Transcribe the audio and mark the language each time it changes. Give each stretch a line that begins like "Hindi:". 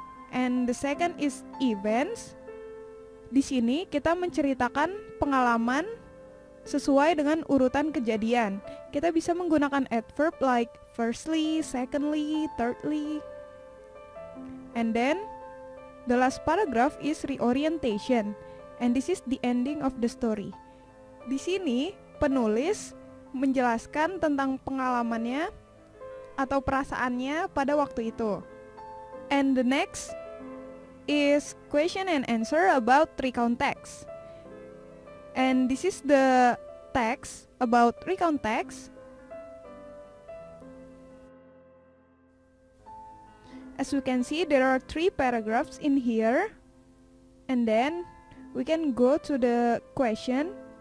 English: And the second is events.
Indonesian: Di sini kita menceritakan pengalaman sesuai dengan urutan kejadian. Kita bisa menggunakan adverb
English: like firstly, secondly, thirdly. And then, the last paragraph is reorientation. And this is the ending of the story.
Indonesian: Di sini, penulis menjelaskan tentang pengalamannya atau perasaannya pada waktu itu.
English: And the next is question and answer about recount text. And this is the text about recount text. As you can see, there are three paragraphs in here. And then we can go to the question.